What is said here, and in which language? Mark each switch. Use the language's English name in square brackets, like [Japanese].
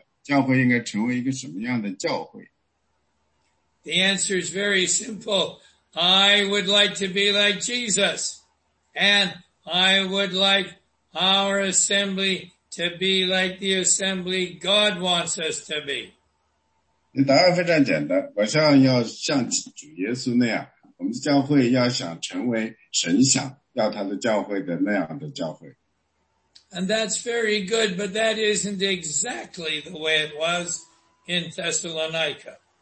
[Chinese] 因为这问题呢，就是第一个问题就是你和我应该成为什么样的人，第二个问题呢，就是我们现在的教会应该成为一个什么样的教会。 [English] The answer is very simple. I would like to be like Jesus, and I would like our assembly to be like the assembly God wants us to be. [Chinese] 答案非常简单，我想要像主耶稣那样。我们教会要想成为神想要他的教会的那样的教会。 [English] And that's very good, but that isn't exactly the way it was in Thessalonica.